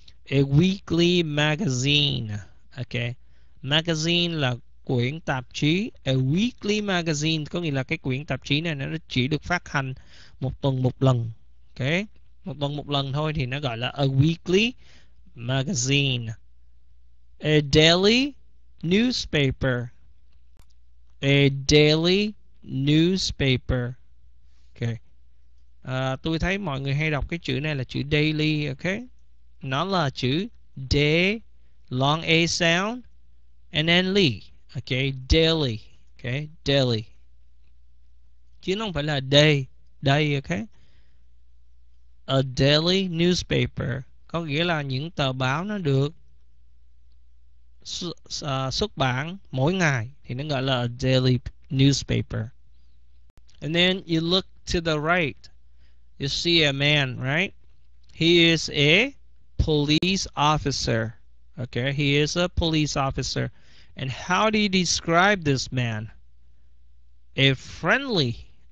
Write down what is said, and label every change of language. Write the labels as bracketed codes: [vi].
[en] A weekly magazine, okay, magazine [vi] là quyển tạp chí. [en] A weekly magazine [vi] có nghĩa là cái quyển tạp chí này nó chỉ được phát hành một tuần một lần, okay, một tuần một lần thôi thì nó gọi là [en] a weekly magazine. A daily newspaper, a daily newspaper. Okay. [vi] Tôi thấy mọi người hay đọc cái chữ này là chữ daily, okay? Nó là chữ day, [en] long a sound, and then ly, [vi] okay? [en] Daily, okay? Daily. [vi] Chứ nó không phải là day, day, okay? [en] A daily newspaper [vi] có nghĩa là những tờ báo nó được xuất bản mỗi ngày thì nó gọi là [en] a daily newspaper. And then you look to the right, you see a man, right? He is a police officer. Okay, he is a police officer. And how do you describe this man? A friendly.